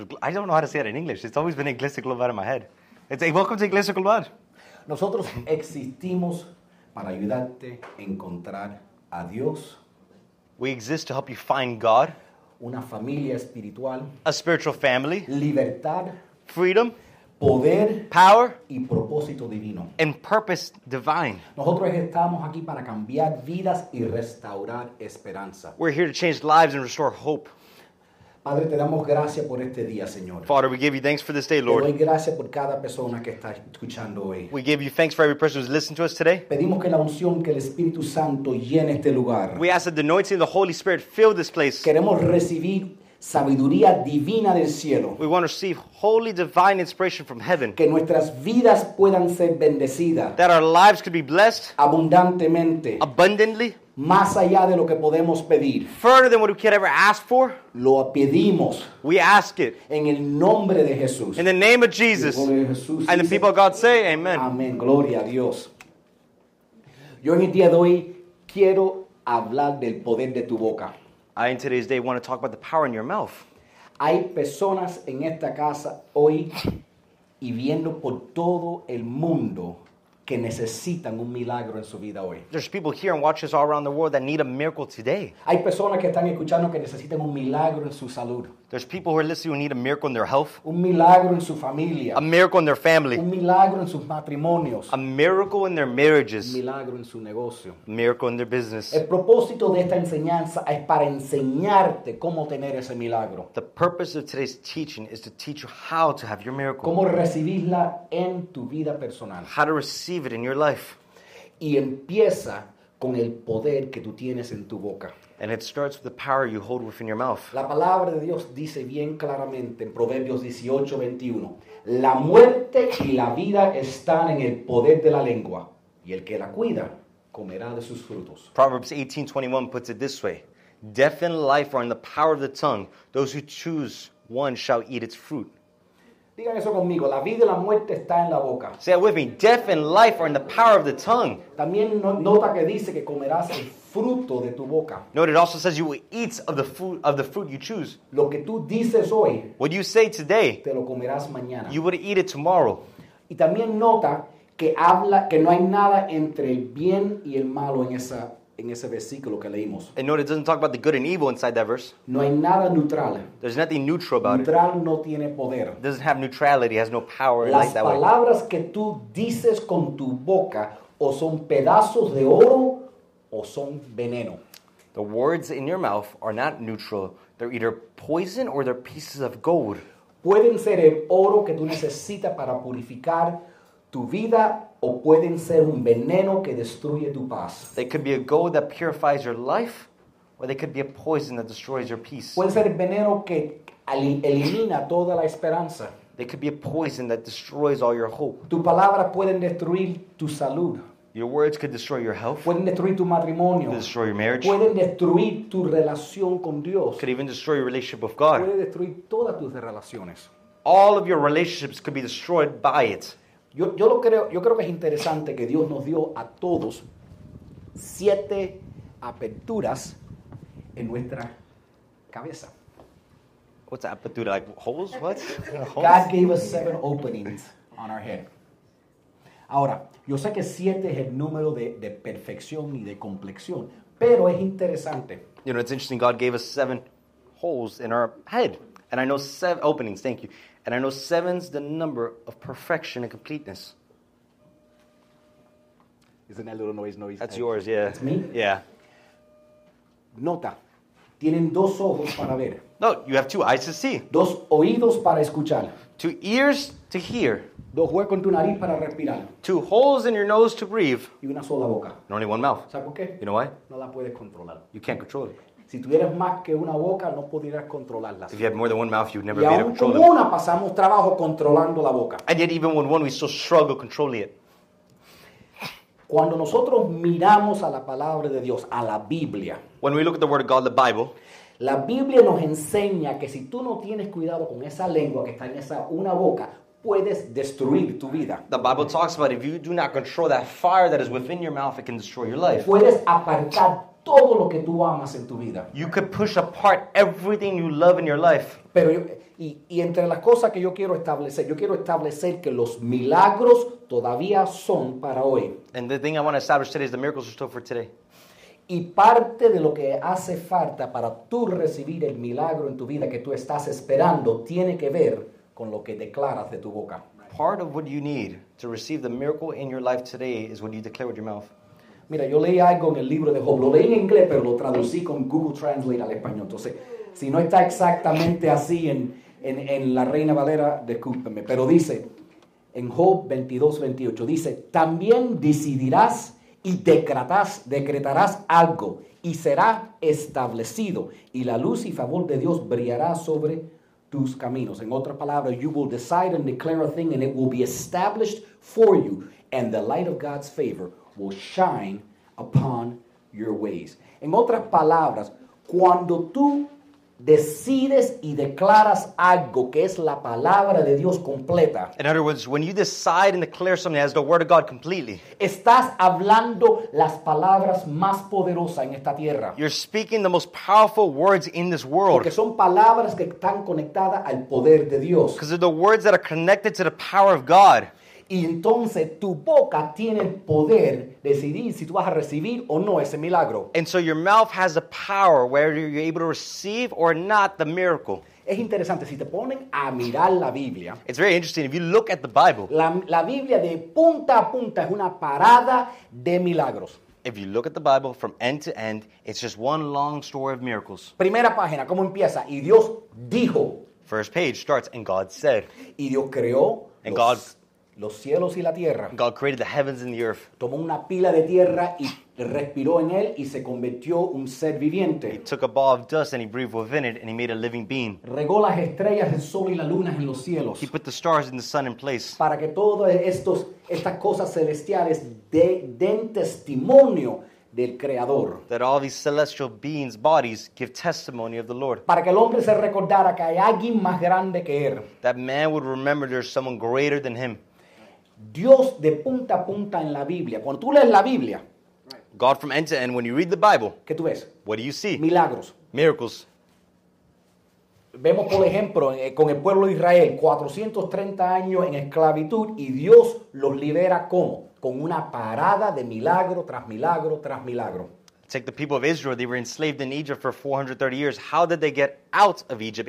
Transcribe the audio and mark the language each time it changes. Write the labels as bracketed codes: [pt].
[en] I don't know how to say it in English. It's always been Iglesia Global in my head. It's a welcome to Iglesia Global. [es] Nosotros existimos para ayudarte a encontrar a Dios. [en] We exist to help you find God. [es] Una familia espiritual. [en] A spiritual family. [es] Libertad. [en] Freedom. [es] Poder. [en] Power. [es] Y propósito divino. [en] And purpose divine. [es] Nosotros estamos aquí para cambiar vidas y restaurar esperanza. [en] We're here to change lives and restore hope. [es] Padre, te damos gracias por este día, Señor. [en] Father, we give you thanks for this day, Lord. [es] Te doy gracias por cada persona que está escuchando hoy. [en] We give you thanks for every person who's listening to us today. [es] Pedimos que la unción, que el Espíritu Santo llene este lugar. [en] We ask that the anointing of the Holy Spirit fill this place. [es] Queremos recibir sabiduría divina del cielo. [en] We want to receive holy divine inspiration from heaven. [es] Que nuestras vidas puedan ser bendecidas. [en] That our lives could be blessed. [es] Abundantemente. [en] Abundantly. [es] Más allá de lo que podemos pedir. [en] Further than what we could ever ask for. [es] Lo pedimos. [en] We ask it. [es] En el nombre de Jesús. [en] In the name of Jesus. And the people of God say, amen. [es] Amén. Gloria a Dios. Yo en el día de hoy quiero hablar del poder de tu boca. [en] I, in today's day, want to talk about the power in your mouth. [es] Hay personas en esta casa hoy y viendo por todo el mundo que necesitan un milagro en su vida hoy. [en] There's people here and watching us all around the world that need a miracle today. [es] Hay personas que están escuchando que necesitan un milagro en su salud. [en] There's people who are listening who need a miracle in their health. [es] Un milagro en su familia. [en] A miracle in their family. [es] Un milagro en sus matrimonios. [en] A miracle in their marriages. [es] Un milagro en su negocio. [en] A miracle in their business. [es] El propósito de esta enseñanza es para enseñarte cómo tener ese milagro. [en] The purpose of today's teaching is to teach you how to have your miracle. [es] Cómo recibirla en tu vida personal. [en] How to receive it in your life. [es] Y empieza con el poder que tú tienes en tu boca. [en] And it starts with the power you hold within your mouth. [es] La palabra de Dios dice bien claramente en Proverbios 18:21, la muerte y la vida están en el poder de la lengua, y el que la cuida comerá de sus frutos. [en] Proverbs 18:21 puts it this way: death and life are in the power of the tongue. Those who choose one shall eat its fruit. [es] Digan eso conmigo, la vida y la muerte está en la boca. [en] Say it with me: death and life are in the power of the tongue. [es] También nota que dice que comerás el fruto de tu boca. [en] Note it also says you will eat of the fruit you choose. [es] Lo que tú dices hoy, [en] what you say today, [es] te lo comerás mañana. [en] You will eat it tomorrow. [es] Y también nota que habla que no hay nada entre el bien y el malo en ese versículo que leímos. [en] And note it doesn't talk about the good and evil inside that verse. [es] No hay nada neutral. [en] There's nothing neutral about neutral it. [es] Neutral no tiene poder. [en] It doesn't have neutrality. It has no power. [es] Las palabras [en] way. [es] Que tú dices con tu boca o son pedazos de oro o son veneno. [en] The words in your mouth are not neutral. They're either poison or they're pieces of gold. [es] Pueden ser el oro que tú necesitas para purificar tu vida o pueden ser un veneno que destruye tu paz. [en] They could be a gold that purifies your life or they could be a poison that destroys your peace. [es] Puede ser el veneno que elimina toda la esperanza. [en] They could be a poison that destroys all your hope. [es] Tu palabra puede destruir tu salud. [en] Your words could destroy your health. [es] Pueden destruir tu matrimonio. [en] Could destroy your marriage. [es] Pueden destruir tu relación con Dios. [en] Could even destroy your relationship with God. [es] Puede destruir todas tus relaciones. [en] All of your relationships could be destroyed by it. [es] Yo creo que es interesante que Dios nos dio a todos 7 aperturas en nuestra cabeza. [en] What's apertura? Like holes? What? God gave us 7 openings on our head. [es] Ahora, yo sé que 7 es el número de perfección y de complexión, pero es interesante. [en] You know, it's interesting. God gave us 7 holes in our head. And I know 7 openings, thank you. And I know 7's the number of perfection and completeness. Isn't that little noise? That's yours, yeah. That's me? Yeah. [es] Nota. Tienen 2 ojos para ver. [en] No, you have 2 eyes to see. [es] 2 oídos para escuchar. [en] 2 ears to hear. [es] 2 huecos en tu nariz para respirar. [en] 2 holes in your nose to breathe. [es] Y una sola boca. [en] And only 1 mouth. [es] ¿Sabes por qué? [en] You know why? [es] No la puedes controlar. [en] You can't control it. [es] Si tuvieras más que una boca, no pudieras controlarla. [en] If you had more than one mouth, you'd never [es] y [en] be able to control them. [es] Y aún con una pasamos trabajo controlando la boca. [en] And yet even with one, we still struggle controlling it. [es] Cuando nosotros miramos a la palabra de Dios, a la Biblia. [en] When we look at the word of God, the Bible. [es] La Biblia nos enseña que si tú no tienes cuidado con esa lengua que está en esa una boca, puedes destruir tu vida. [en] The Bible talks about if you do not control that fire that is within your mouth, it can destroy your life. [es] Puedes apartar todo lo que tú amas en tu vida. [en] You could push apart everything you love in your life. [es] Pero y entre las cosas que yo quiero establecer que los milagros todavía son para hoy. [en] And the thing I want to establish today is the miracles are still for today. [es] Y parte de lo que hace falta para tú recibir el milagro en tu vida que tú estás esperando tiene que ver con lo que declaras de tu boca. [en] Part of what you need to receive the miracle in your life today is what you declare with your mouth. [es] Mira, yo leí algo en el libro de Job. Lo leí en inglés, pero lo traducí con Google Translate al español. Entonces, si no está exactamente así en la Reina Valera, discúlpeme. Pero dice, en Job 22:28, dice, también decidirás y decretarás algo y será establecido y la luz y favor de Dios brillará sobre tus caminos. En otras palabras, [en] you will decide and declare a thing and it will be established for you and the light of God's favor will shine upon your ways. [es] En otras palabras, cuando tú decides y declaras algo que es la palabra de Dios completa. [en] In other words, when you decide and declare something as the word of God completely. [es] Estás hablando las palabras más poderosas en esta tierra. [en] You're speaking the most powerful words in this world. [es] Porque son palabras que están conectadas al poder de Dios. [en] Because they're the words that are connected to the power of God. [es] Y entonces tu boca tiene el poder de decidir si tú vas a recibir o no ese milagro. [en] And so your mouth has the power whether you're able to receive or not the miracle. [es] Es interesante, si te ponen a mirar la Biblia. [en] It's very interesting, if you look at the Bible. [es] La Biblia de punta a punta es una parada de milagros. [en] If you look at the Bible from end to end, it's just one long story of miracles. [es] Primera página, ¿cómo empieza? Y Dios dijo. [en] First page starts, and God said. [es] Y Dios creó. [en] And God... [es] Los cielos y la tierra. [en] God created the heavens and the earth. [es] Tomó una pila de tierra y respiró en él y se convirtió un ser viviente. [en] He took a ball of dust and he breathed within it and he made a living being. [es] Regó las estrellas, el sol y la luna en los cielos. [en] He put the stars and the sun in place. [es] Para que todas estas cosas celestiales den testimonio del Creador. [en] That all these celestial beings' bodies give testimony of the Lord. [es] Para que el hombre se recordara que hay alguien más grande que él. [en] That man would remember there's someone greater than him. [es] Dios de punta a punta en la Biblia. Cuando tú lees la Biblia. [en] God from end to end, when you read the Bible. [es] ¿Qué tú ves? [en] What do you see? [es] Milagros. [en] Miracles. [es] Vemos, por ejemplo, con el pueblo de Israel, 430 años en esclavitud y Dios los libera ¿cómo? Con una parada de milagro tras milagro tras milagro. [en] Take the people of Israel. They were enslaved in Egypt for 430 years. How did they get out of Egypt?